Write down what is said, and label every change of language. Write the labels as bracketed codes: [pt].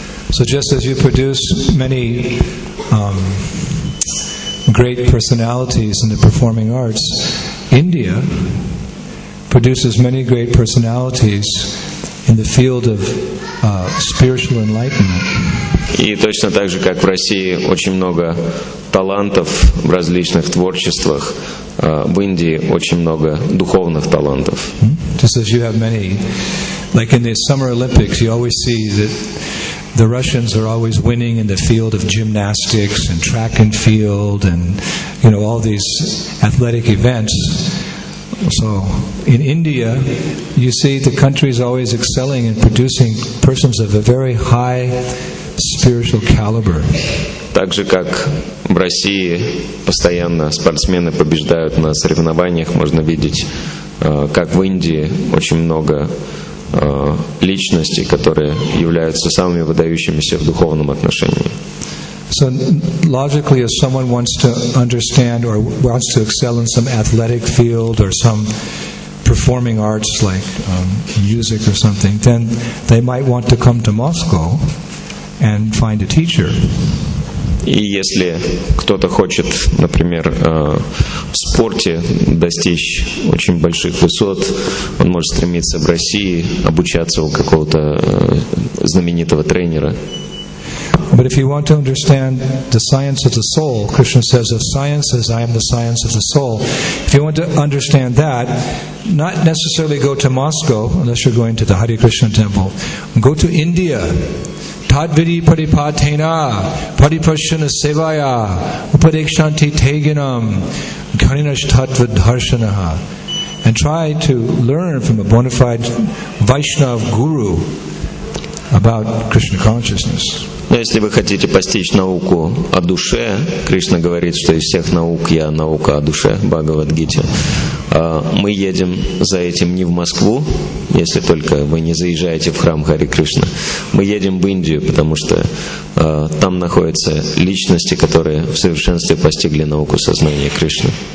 [en] So just as you produce many great personalities in the performing arts, India produces many great personalities in the field of spiritual enlightenment. [ru] И точно так же, как в России очень много талантов в различных творчествах, в Индии очень много духовных талантов. [en] Just as you have many, like in the Summer Olympics, you always see that the Russians are always winning in the field of gymnastics and track and field and, you know, all these athletic events. So in India, you see the country is always excelling in producing persons of a very high spiritual caliber. [ru] так же как в России постоянно спортсмены побеждают на соревнованиях, можно видеть, как в Индии очень много личностей, которые являются самыми выдающимися в духовном отношении. [en] So logically, if someone wants to understand or wants to excel in some athletic field or some performing arts like music or something, then they might want to come to Moscow and find a teacher. [ru] И если кто-то хочет, например, в спорте достичь очень больших высот, он может стремиться в России обучаться у какого-то знаменитого тренера. [en] But if you want to understand the science of the soul, Krishna says, "Of sciences, I am the science of the soul." If you want to understand that, not necessarily go to Moscow, unless you're going to the Hare Krishna temple. Go to India. [sa] Tadvidi paripatena, paripashana sevaya, upadekshanti teginam, ghaninashtatva dharshanaha. [en] And try to learn from a bona fide Vaishnav guru about Krishna consciousness. [ru] Но если вы хотите постичь науку о душе, Кришна говорит, что из всех наук я наука о душе, Бхагавад-гите. Мы едем за этим не в Москву, если только вы не заезжаете в храм Хари Кришна. Мы едем в Индию, потому что там находятся личности, которые в совершенстве постигли науку сознания Кришны.